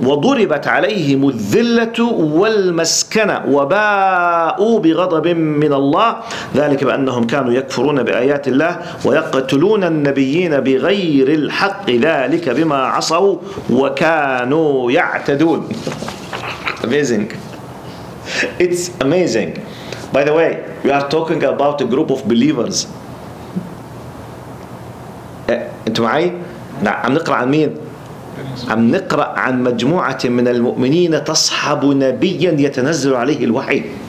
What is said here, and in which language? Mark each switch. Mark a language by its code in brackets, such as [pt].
[ar] وضربت عليهم الذلة والمسكنة وباءوا بغضب من الله ذلك بأنهم كانوا يكفرون بآيات الله ويقتلون النبيين بغير الحق ذلك بما عصوا وكانوا يعتدون. [en] Amazing. It's amazing. By the way, we are talking about a group of believers. [ar] أنتم معي؟ نعم. نقرأ عن مين؟ عم نقرأ عن مجموعة من المؤمنين تصحب نبيا يتنزل عليه الوحي.